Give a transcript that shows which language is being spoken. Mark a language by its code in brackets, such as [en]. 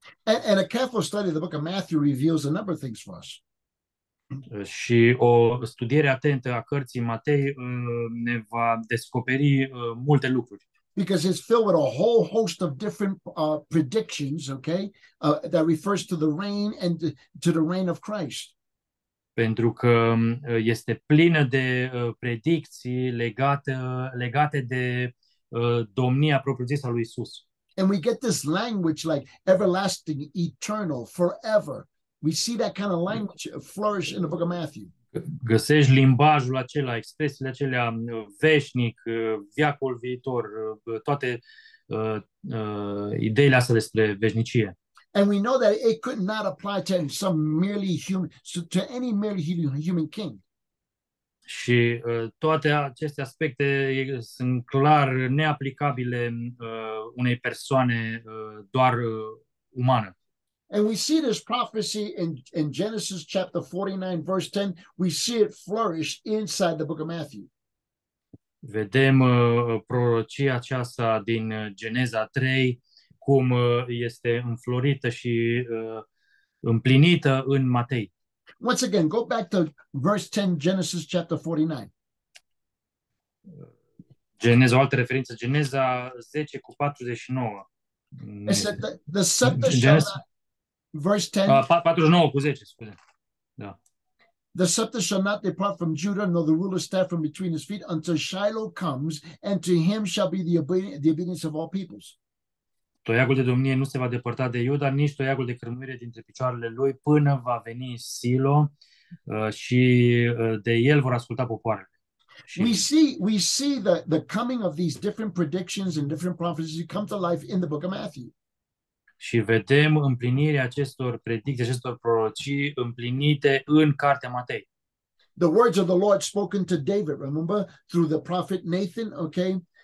[en] And a careful study of the book of Matthew reveals a number of things for us. [ro] Și o studiere atentă a cărții Matei ne va descoperi multe lucruri. [en] Because it's filled with a whole host of different predictions, okay, that refers to the reign and to the reign of Christ. [ro] Pentru că este plină de predicții legate de domnia propriu-zisă a lui Isus. [en] And we get this language like everlasting, eternal, forever. We see that kind of language flourish in the book of Matthew. [ro] Găsești limbajul acela, expresiile acelea, veșnic, viacul viitor, toate ideile astea despre veșnicie. [en] And we know that it could not apply to some merely human, to any merely human king. [ro] Și toate aceste aspecte sunt clar neaplicabile unei persoane doar umană. [en] And we see this prophecy in Genesis chapter 49 verse 10. We see it flourish inside the book of Matthew. [ro] Vedem prorocia aceasta din Geneza 3 cum este înflorită și împlinită în Matei. [en] Once again, go back to verse 10, Genesis chapter 49. [ro] Geneza, o altă referință, Geneza 10 cu 49. [en] The scepter shall not, verse 10. [ro] 49 cu 10, scuze. Da. [en] The scepter shall not depart from Judah, nor the ruler's staff from between his feet, until Shiloh comes, and to him shall be the obedience of all peoples. [ro] Toiagul de domnie nu se va depărta de Iuda, nici toiagul de cărmuire dintre picioarele lui, până va veni Silo și de el vor asculta popoarele. [en] We see the coming of these different predictions and different prophecies come to life in the book of Matthew. [ro] Și vedem împlinirea acestor predicții, acestor prorocii împlinite în cartea Matei. [en] The words of the Lord spoken to David, remember, through the prophet Nathan, okay?